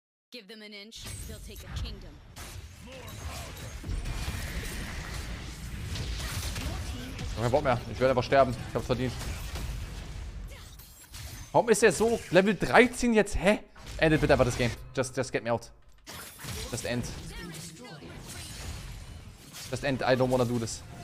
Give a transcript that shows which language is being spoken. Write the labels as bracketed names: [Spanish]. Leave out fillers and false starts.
[English] Give them an inch, they'll take a kingdom. [German] Ich hab keinen Bock mehr, ich werde einfach sterben. Ich hab's verdient. Warum ist der so Level 13 jetzt? Hä? Endet bitte einfach das Game. [English] Just get me out. Just end, I don't wanna do this.